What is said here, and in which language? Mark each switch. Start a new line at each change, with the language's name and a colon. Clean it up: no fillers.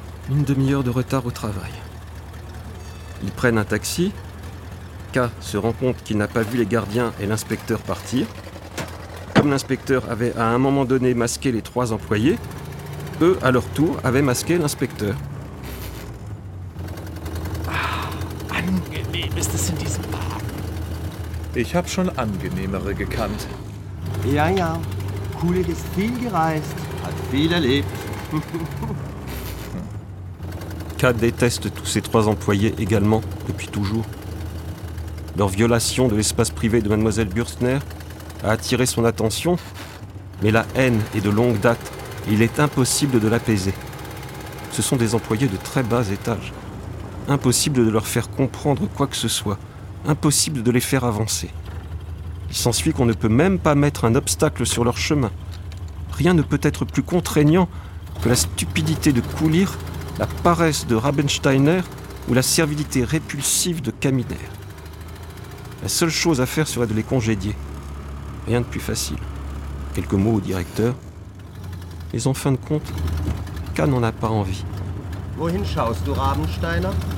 French: Une demi-heure de retard au travail. Ils prennent un taxi. K se rend compte qu'il n'a pas vu les gardiens et l'inspecteur partir. Comme l'inspecteur avait à un moment donné masqué les trois employés, eux, à leur tour, avaient masqué l'inspecteur.
German: Ah, angenehm ist es in diesem Park. Ich habe schon angenehmere gekannt. Ja, ja. Kulig ist viel gereist. Hat viel erlebt.
French: K déteste tous ses trois employés également, depuis toujours. Leur violation de l'espace privé de Mademoiselle Bürstner a attiré son attention, mais la haine est de longue date et il est impossible de l'apaiser. Ce sont des employés de très bas étage. Impossible de leur faire comprendre quoi que ce soit. Impossible de les faire avancer. Il s'ensuit qu'on ne peut même pas mettre un obstacle sur leur chemin. Rien ne peut être plus contraignant que la stupidité de Coulir, la paresse de Rabensteiner ou la servilité répulsive de Caminer. La seule chose à faire serait de les congédier. Rien de plus facile. Quelques mots au directeur. Mais en fin de compte, K n'en a pas envie.
German: Wohin schaust du, Rabensteiner?